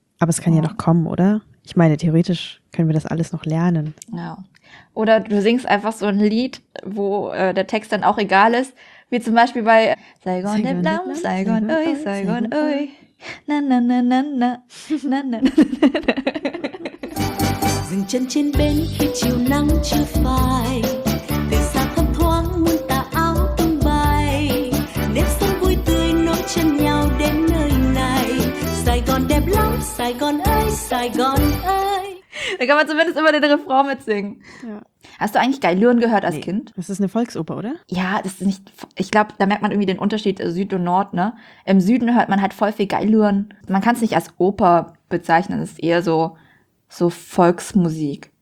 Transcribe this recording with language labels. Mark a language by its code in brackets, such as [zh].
[de] Aber es kann ja noch kommen, oder? Ich meine, theoretisch können wir das alles noch lernen. Ja. Oder du singst einfach so ein Lied, wo der Text dann auch egal ist, Wie zum Beispiel bei Saigon de Blam, [vi] Saigon oi, Saigon oi. Na na na na na. Na na na. Dừng chân trên bến khi chiều nắng chưa phai. Từ xa thấp thoáng muôn tà áo tung bay. Nếp sống vui tươi nối chân nhau đến nơi này. Sài Gòn đẹp lắm, Sài Gòn ơi, Sài Gòn ơi. [de] Da kann man zumindest immer den Refrain mitsingen. Ja. Hast du eigentlich Gailuren gehört als Kind? Das ist eine Volksoper, oder? Ja, das ist nicht. Ich glaube, da merkt man irgendwie den Unterschied Süd und Nord, ne? Im Süden hört man halt voll viel Gailuren. Man kann es nicht als Oper bezeichnen, es ist eher so. So Volksmusik.